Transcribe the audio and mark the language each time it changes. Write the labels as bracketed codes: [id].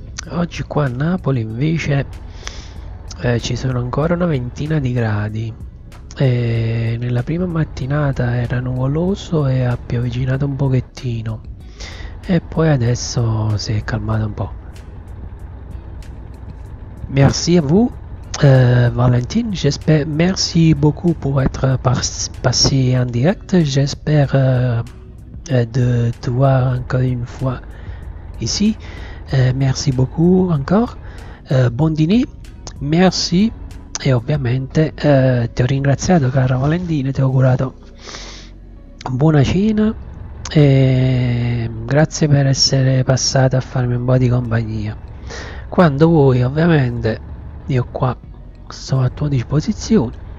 [it] Oggi qua a Napoli invece ci sono ancora una ventina di gradi. E nella prima mattinata era nuvoloso e ha piovigginato un pochettino, e poi adesso si è calmato un po'. [fr] Merci a vous, Valentine. J'espère, merci beaucoup pour être passé en direct. J'espère de te voir encore une fois ici. Merci beaucoup encore. Bon dîner, merci. [it] E ovviamente ti ho ringraziato, cara Valentina, ti ho augurato buona cena e grazie per essere passata a farmi un po' di compagnia. Quando vuoi, ovviamente, io qua sto a tua disposizione.